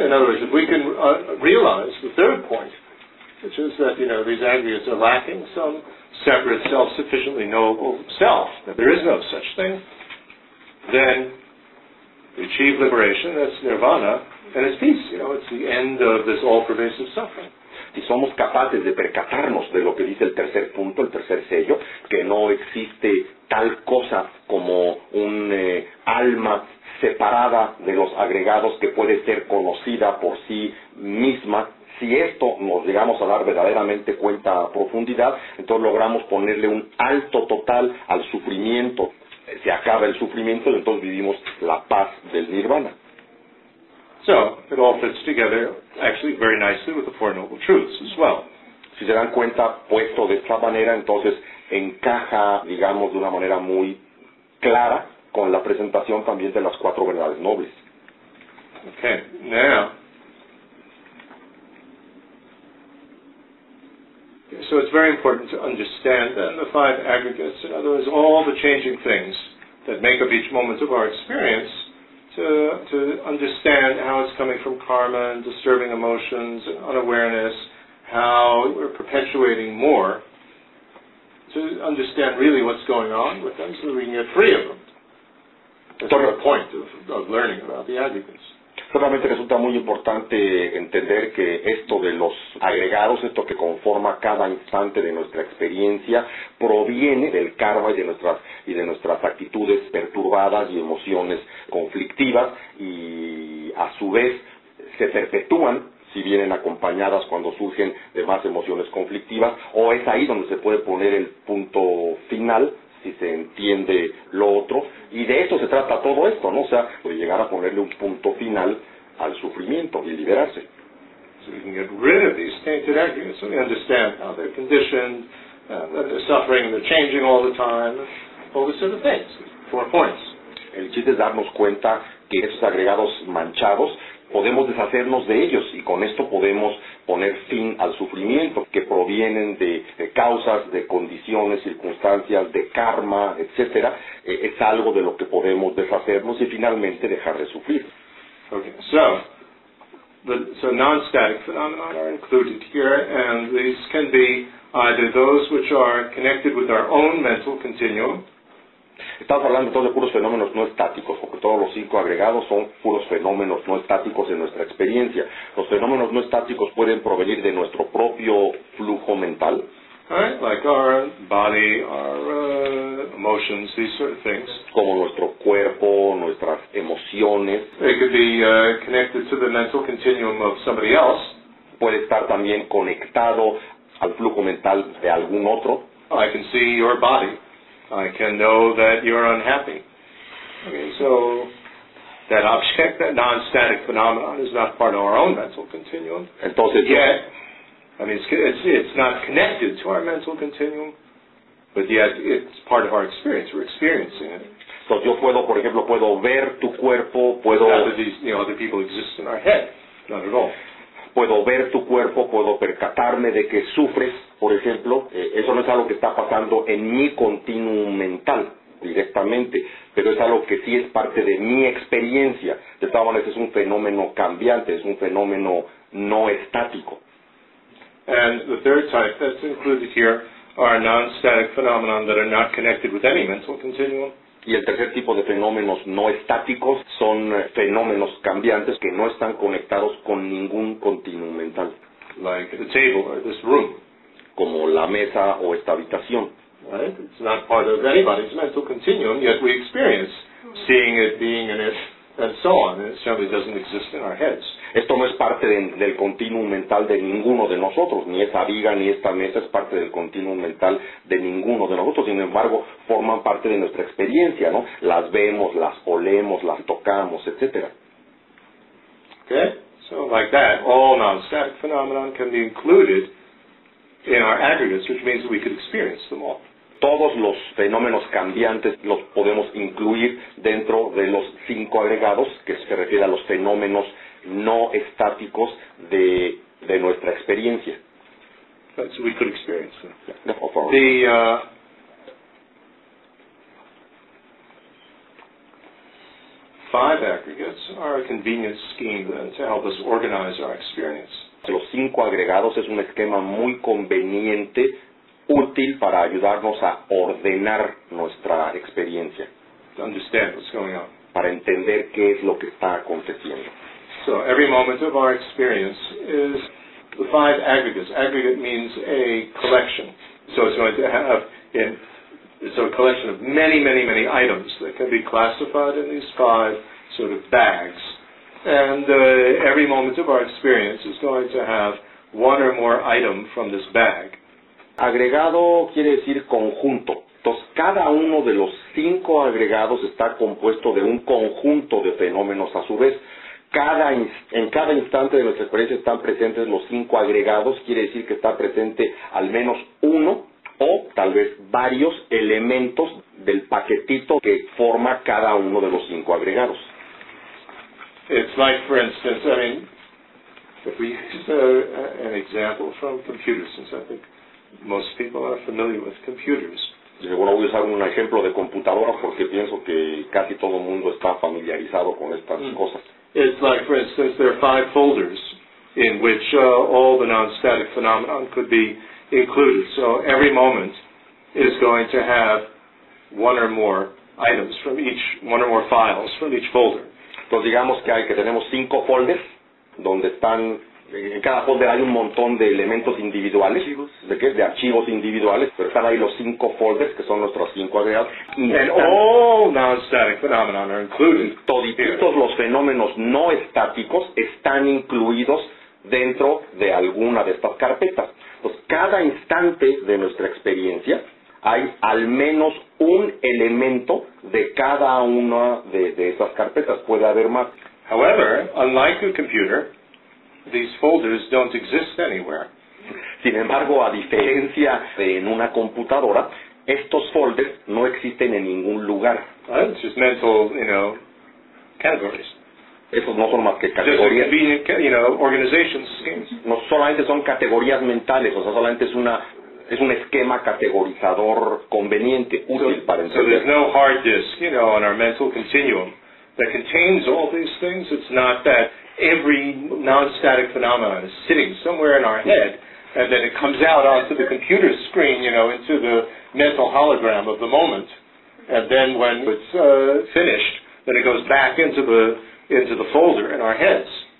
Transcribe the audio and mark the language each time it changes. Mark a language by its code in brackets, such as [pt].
[en] In other words, if we can realize the third point, which is that, you know, these aggregates are lacking some... separate self, sufficiently knowable self, that there is no such thing, then we achieve liberation, that's nirvana, and it's peace, you know, it's the end of this all-pervasive suffering. [es] Si somos capaces de percatarnos de lo que dice el tercer punto, el tercer sello, que no existe tal cosa como un alma separada de los agregados que puede ser conocida por sí misma, si esto nos llegamos a dar verdaderamente cuenta a profundidad, entonces logramos ponerle un alto total al sufrimiento. Se acaba el sufrimiento y entonces vivimos la paz del nirvana. [en] So, it all fits together actually very nicely with the Four Noble Truths as well. [es] Si se dan cuenta, puesto de esta manera, entonces encaja, digamos, de una manera muy clara con la presentación también de las cuatro verdades nobles. [en] Okay, now... So it's very important to understand then the five aggregates, in other words, all the changing things that make up each moment of our experience, to understand how it's coming from karma and disturbing emotions and unawareness, how we're perpetuating more, to understand really what's going on with them so that we can get free of them. That's the point of learning about the aggregates. [es] Realmente resulta muy importante entender que esto de los agregados, esto que conforma cada instante de nuestra experiencia, proviene del karma y de nuestras actitudes perturbadas y emociones conflictivas, y a su vez se perpetúan si vienen acompañadas cuando surgen demás emociones conflictivas, o es ahí donde se puede poner el punto final, si se entiende lo otro, y de eso se trata todo esto, ¿no? O sea, de llegar a ponerle un punto final al sufrimiento y liberarse. [en] So we can get rid of these tainted aggregates, so we understand how they're conditioned, that they're suffering and they're changing all the time, all these sort of things, four points. [es] El chiste es darnos cuenta que esos agregados manchados, podemos deshacernos de ellos y con esto podemos poner fin al sufrimiento que provienen de causas, de condiciones, circunstancias, de karma, etcétera. Es algo de lo que podemos deshacernos y finalmente dejar de sufrir. [en] Okay, so non-static phenomena are included here, and these can be either those which are connected with our own mental continuum. [es] Estamos hablando entonces de puros fenómenos no estáticos, porque todos los cinco agregados son puros fenómenos no estáticos en nuestra experiencia. Los fenómenos no estáticos pueden provenir de nuestro propio flujo mental. [en] Right, like our body, our emotions, these sort of things. [es] Como nuestro cuerpo, nuestras emociones. [en] They could be connected to the mental continuum of somebody else. [es] Puede estar también conectado al flujo mental de algún otro. [en] I can see your body. I can know that you're unhappy. Okay, so that object, that non-static phenomenon, is not part of our own mental continuum. [es] Entonces, [en] yet, I mean, it's not connected to our mental continuum, but yet it's part of our experience. We're experiencing it. [es] So yo puedo, por ejemplo, puedo ver tu cuerpo, puedo... [en] Not that these, you know, other people exist in our head. Not at all. [es] Puedo ver tu cuerpo, puedo percatarme de que sufres, por ejemplo. Eso no es algo que está pasando en mi continuum mental directamente, pero es algo que sí es parte de mi experiencia. De todas maneras, es un fenómeno cambiante, es un fenómeno no estático. [en] And the third type that's included here are non-static phenomena that are not connected with any mental continuum. [es] Y el tercer tipo de fenómenos no estáticos son fenómenos cambiantes que no están conectados con ningún continuum mental. [en] Like the table or this room. [es] Como la mesa o esta habitación. [en] Right? It's not part of anybody's mental continuum, yet we experience seeing it, being in it, and so on. And it certainly doesn't exist in our heads. [es] Esto no es parte del continuum mental de ninguno de nosotros. Ni esa viga ni esta mesa es parte del continuum mental de ninguno de nosotros. Sin embargo, forman parte de nuestra experiencia, ¿no? Las vemos, las olemos, las tocamos, etc. Okay? [en] So like that, all non-static phenomena can be included in our aggregates, which means that we could experience them all. [es] Todos los fenómenos cambiantes los podemos incluir dentro de los cinco agregados, que se refiere a los fenómenos no estáticos de nuestra experiencia. [en] That's what we could experience. Yeah, no, the five aggregates are a convenient scheme then to help us organize our experience. [es] Los cinco agregados es un esquema muy conveniente, útil para ayudarnos a ordenar nuestra experiencia. [en] To understand what's going on. [es] Para entender qué es lo que está aconteciendo. [en] So every moment of our experience is the five aggregates. Aggregate means a collection. So it's going to have it's a collection of many, many, many items that can be classified in these five sort of bags. And every moment of our experience is going to have one or more item from this bag. [es] Agregado quiere decir conjunto. Entonces, cada uno de los cinco agregados está compuesto de un conjunto de fenómenos a su vez. En cada instante de nuestra experiencia están presentes los cinco agregados. Quiere decir que está presente al menos uno o tal vez varios elementos del paquetito que forma cada uno de los cinco agregados. [en] It's like, for instance, I mean, if we use an example from computers, since I think most people are familiar with computers. [es] Bueno, voy a usar un ejemplo de computadoras porque pienso que casi todo el mundo está familiarizado con estas cosas. [en] It's like, for instance, there are five folders in which all the non-static phenomena could be included. So every moment is going to have one or more items from each, one or more files from each folder. [es] Entonces digamos que tenemos cinco folders donde están, en cada folder hay un montón de elementos individuales, archivos. ¿De qué? De archivos individuales, pero están ahí los cinco folders que son nuestros cinco agregados. [en] And all non-static phenomena are included. [es] Toditos los fenómenos no estáticos están incluidos dentro de alguna de estas carpetas. Entonces cada instante de nuestra experiencia hay al menos un elemento de cada una de esas carpetas. Puede haber más. [en] However, unlike a computer, these folders don't exist anywhere. [es] Sin embargo, a diferencia de en una computadora, estos folders no existen en ningún lugar. [en] It's just mental, you know, categories. [es] Esos no son más que categorías. Just a convenient, you know, organization schemes. No solamente son categorías mentales, o sea, solamente es una... Es un esquema categorizador conveniente, útil para entender. [en] So there's no hard disk, you know, on our mental continuum that contains all these things. It's not that every non-static phenomenon is sitting somewhere in our head and then it comes out onto the computer screen, you know, into the mental hologram of the moment. And then when it's finished, then it goes back into the folder in our heads.